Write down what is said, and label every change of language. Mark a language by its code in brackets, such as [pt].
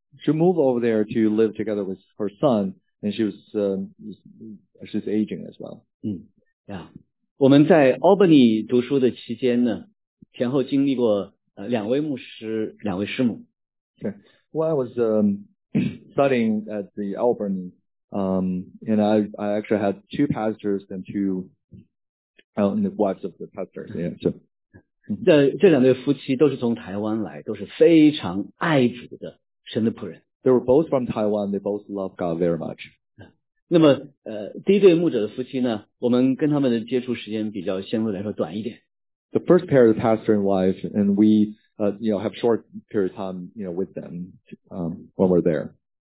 [en] She moved over there to live together with her son and she was, she's aging as well. [zh] 我们在 Albany 读书的期间呢，前后经历过两位牧师，两位师母。 [en] Okay. Well, I was studying at the Auburn, and I actually had two pastors and two and the wives of the pastors. Yeah. So. [zh] 这两对夫妻都是从台湾来，都是非常爱主的神的仆人。 [en] They were both from Taiwan. They both love God very much. [zh] 那么，第一对牧者的夫妻呢，我们跟他们的接触时间比较相对来说短一点。 [en] The first pair of pastor and wife, and we, have short period of time, with them, when we're there.